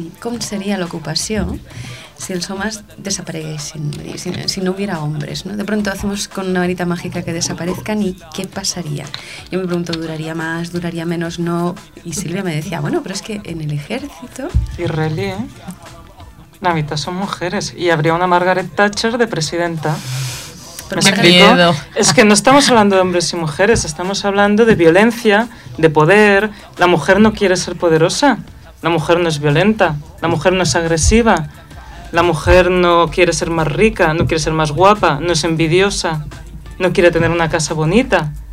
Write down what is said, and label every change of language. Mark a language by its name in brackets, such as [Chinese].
[Catalan] Com seria l'ocupació si els homes desapareguessin, si no hi hagués homes, no? [Spanish] De pronto hacemos con una varita mágica que desaparezcan [Catalan] i què passaria? [Spanish] Jo me pregunto, ¿duraria más, duraria menos, no? I Sílvia me decía, bueno, [Catalan] però és que [Spanish] en el ejército... Israelí, ¿eh? La mitad son mujeres y habría una Margaret Thatcher de presidenta. ¿Me explico? Es que no estamos hablando de hombres y mujeres, estamos hablando de violencia, de poder. La mujer no quiere ser poderosa, la mujer no es violenta, la mujer no es agresiva, la mujer no quiere ser más rica, no quiere ser más guapa, no es envidiosa, no quiere tener una casa bonita.